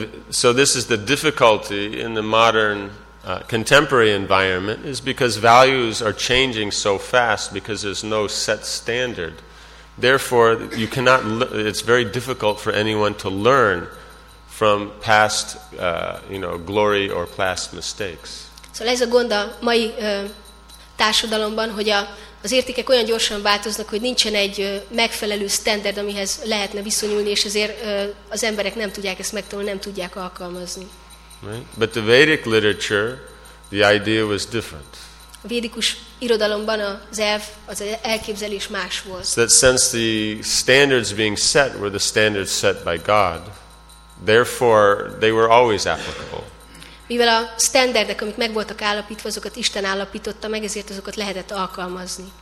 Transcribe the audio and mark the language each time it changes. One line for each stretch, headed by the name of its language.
English: So this is the difficulty in the modern contemporary environment is because values are changing so fast because there's no set standard. Therefore, you cannot. It's very difficult for anyone to learn from past, glory or past mistakes.
Hungarian: Szóval ez a gond a mai társadalomban, hogy az értékek olyan gyorsan változnak, hogy nincsen egy megfelelő standard, amihez lehetne viszonyulni, és ezért az emberek nem tudják ezt megtanulni, nem tudják alkalmazni.
English: Right? But the Vedic literature, the idea was different.
Hungarian: A védikus irodalomban az elv, az elképzelés más volt.
English: So that since the standards being set were the standards set by God, therefore, they were always applicable.
Hungarian: Mivel a standardek, amik meg voltak állapítva, azokat Isten állapította meg, ezért azokat lehetett alkalmazni.